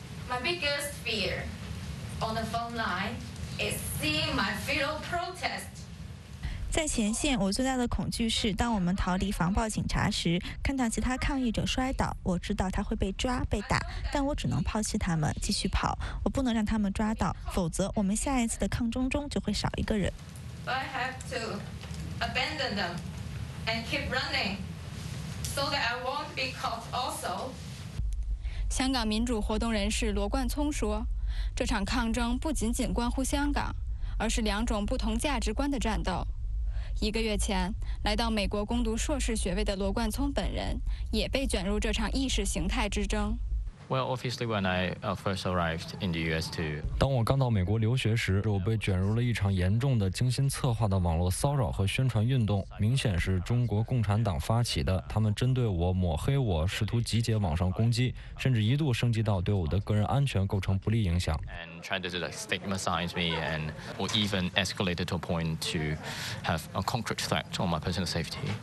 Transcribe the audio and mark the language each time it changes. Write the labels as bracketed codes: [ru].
[en] My biggest fear on the phone line is seeing my fellow protest. [zh] 在前线，我最大的恐惧是当我们逃离防暴警察时，看到其他抗议者摔倒，我知道他会被抓被打，但我只能抛弃他们继续跑，我不能让他们抓到，否则我们下一次的抗争中就会少一个人。 [en] I have to abandon them and keep running so that I won't be caught also. [zh] 香港民主活动人士罗冠聪说，这场抗争不仅仅关乎香港，而是两种不同价值观的战斗。一个月前，来到美国攻读硕士学位的罗冠聪本人也被卷入这场意识形态之争。 [en] Well, obviously, when I first arrived in the U.S. too. [zh] 当我刚到美国留学时，我被卷入了一场严重的、精心策划的网络骚扰和宣传运动，明显是中国共产党发起的。他们针对我、抹黑我，试图集结网上攻击，甚至一度升级到对我的个人安全构成不利影响。 [en] And tried to like stigmatize me, and or even escalated to a point to have a concrete threat on my personal safety.